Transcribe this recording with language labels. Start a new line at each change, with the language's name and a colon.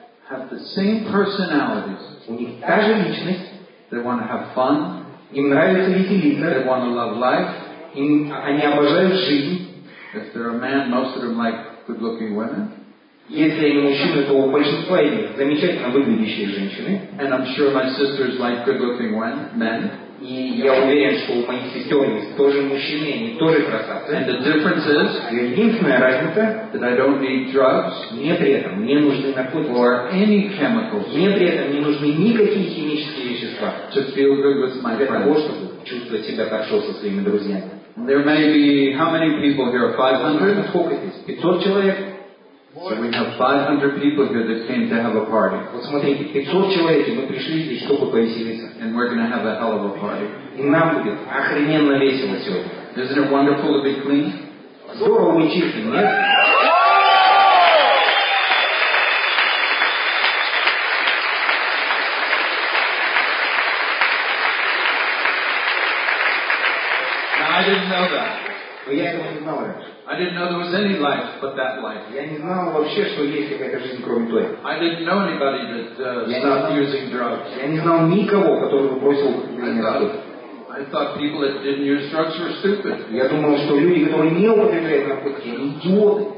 English: have the same personalities.
Russian: У них та же личность.
English: They want to have fun.
Russian: Им нравится веселиться.
English: They want to love life.
Russian: Им они обожают жизнь.
English: If they're a man, most of them like good-looking women.
Russian: Если они мужчины, то у большинства из них замечательно выглядящие женщины.
English: And I'm sure my sisters like good-looking men.
Russian: И я уверен, что у моих сестер тоже мужчины, они тоже красавцы.
English: And the difference is,
Russian: единственная разница,
English: that I don't need drugs,
Russian: мне при этом не нужны наркотики,
English: or any chemicals,
Russian: мне при этом не нужны никакие химические вещества,
English: to feel good with my friends,
Russian: для того, чтобы чувствовать себя хорошо со своими друзьями.
English: There may be, how many people here? 500?
Russian: Сколько здесь? 500 человек?
English: So we have 500 people here that came to have a party.
Russian: Вот смотрите, 500 человек, мы пришли здесь, чтобы повеселиться.
English: And we're going to have a hell of a party.
Russian: И нам будет охрененно весело сегодня.
English: Isn't it wonderful to be clean?
Russian: Здорово мы чистые, нет?
English: Now, I didn't know that.
Russian: Но я этого не знал раньше.
English: I didn't know there was any life but that life.
Russian: Я не знал вообще, что есть какая-то жизнь кроме той.
English: I didn't know anybody that stopped using drugs.
Russian: Я не знал никого, который бы бросил употребление наркотиков.
English: I thought people that didn't use drugs were stupid.
Russian: Я думал, что люди, которые не употребляют наркотики, они идиоты.